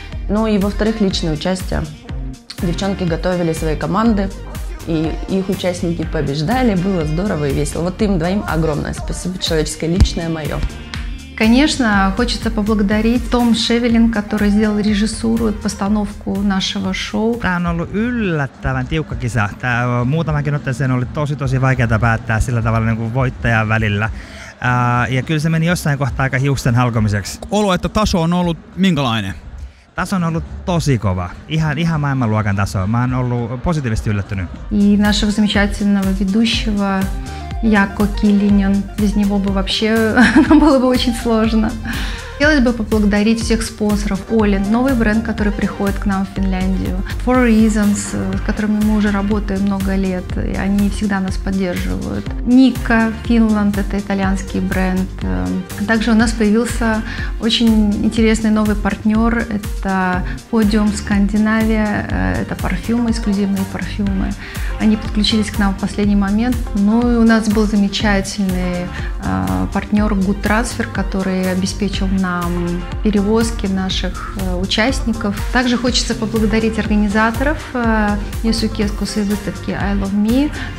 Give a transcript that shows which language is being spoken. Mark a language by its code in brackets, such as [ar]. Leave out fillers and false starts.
[ru] Ну и, во-вторых, личное участие. Девчонки готовили свои команды, и их участники побеждали. Было здорово и весело. Вот им двоим огромное спасибо, человеческое, личное мое. Конечно, хочется поблагодарить Том Шевелин, который сделал режиссуру и постановку нашего шоу. [fi] Tämä on ollut yllättävän tiukka kisa. Muutamakin otteeseen oli tosi tosi vaikeaa päättää sillä tavalla niin kuin voittajan välillä. Ja kyllä se meni jossain kohtaa aika hiusten halkomiseksi. Olo, että taso on ollut minkälainen? Taso on ollut tosi kova. Ihan maailmanluokan taso. Mä oon ollut positiivisesti yllättynyt. [ru] И нашего замечательного ведущего Яко Киллинен. Без него бы вообще было бы очень сложно. Хотелось бы поблагодарить всех спонсоров. Олин, новый бренд, который приходит к нам в Финляндию. Four Reasons, с которыми мы уже работаем много лет, и они всегда нас поддерживают. Nika Finland, это итальянский бренд. Также у нас появился очень интересный новый партнер. Это Podium Scandinavia. Это парфюмы, эксклюзивные парфюмы. Они подключились к нам в последний момент. Ну и у нас был замечательный партнер Good Transfer, который обеспечил нам нам перевозки наших участников. Также хочется поблагодарить организаторов Ясукеску с выставки I Love Me.